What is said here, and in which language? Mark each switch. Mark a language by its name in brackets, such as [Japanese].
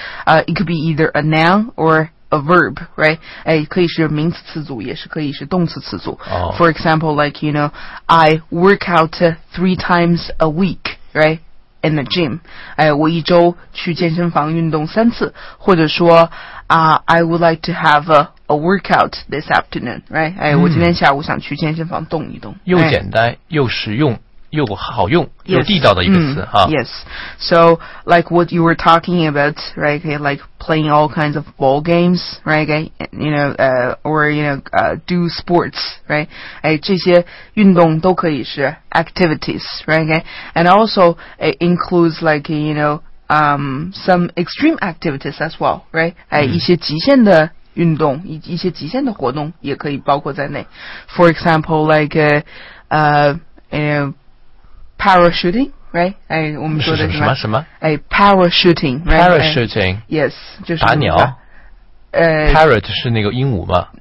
[English] It could be either a noun or a verb, right? [Chinese] 可以是名词词组，也是可以是动词词组。 [English] For example, like, you know, I work out 3 times a week, right? In the gym. [Chinese] 我一周去健身房运动3次。或者说 [English] I would like to have a workout this afternoon, right? [Chinese] 我今天下午想去健身房动一动。又简单又实用。又好用又地道的一个词 [English] Yes. So, like what you were talking about, right? Okay, like playing all kinds of ball games, right? Okay, you know, or, you know, do sports, right? [Chinese] 这些运动都可以是 activities, [English] right? Okay. And also, it includes like, you know, some extreme activities as well, right? [Chinese] 一些极限的运动，一些极限的活动也可以包括在内。 [English] For example, like, you know,Parachuting, right? [Chinese] 我们说的什么什么？ [English] Parachuting, right? Parachuting, [Chinese] yes, 就是打鸟。Parrot 是那个鹦鹉吗